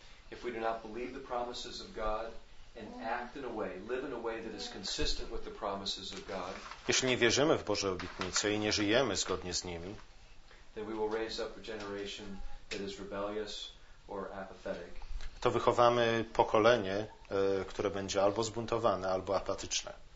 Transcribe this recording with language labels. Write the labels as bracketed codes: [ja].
[en] If we do not believe the promises of God and act in a way, live in a way that is consistent with the promises of God. [pl] Jeśli nie wierzymy w Boże obietnice i nie żyjemy zgodnie z nimi, [en] then we will raise up a generation that is rebellious or apathetic. [pl] To wychowamy pokolenie, które będzie albo zbuntowane, albo apatyczne.